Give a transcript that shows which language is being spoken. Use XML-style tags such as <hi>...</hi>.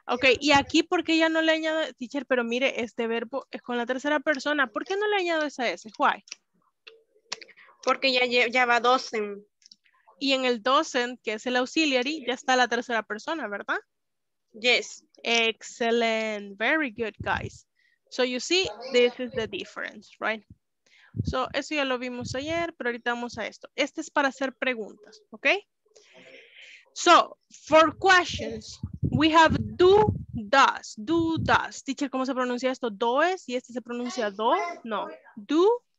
<es>Ok, y aquí, ¿por qué ya no le añado? Teacher, pero mire, este verbo es con la tercera persona. ¿Por qué no le añado esa S? Why? Porque ya va doesn't. Y en el doesn't, que es el auxiliary, ya está la tercera persona, ¿verdad?</es> <en>Yes. Excellent. Very good, guys. So you see, this is the difference, right?</en> <es>So eso ya lo vimos ayer, pero ahorita vamos a esto. Este es para hacer preguntas, ¿ok?</es> <en>So, for questions, we have do, does. Do, does.</en> <es>Teacher, ¿cómo se pronuncia esto? Does. ¿Y este se pronuncia do? No. Do,</es>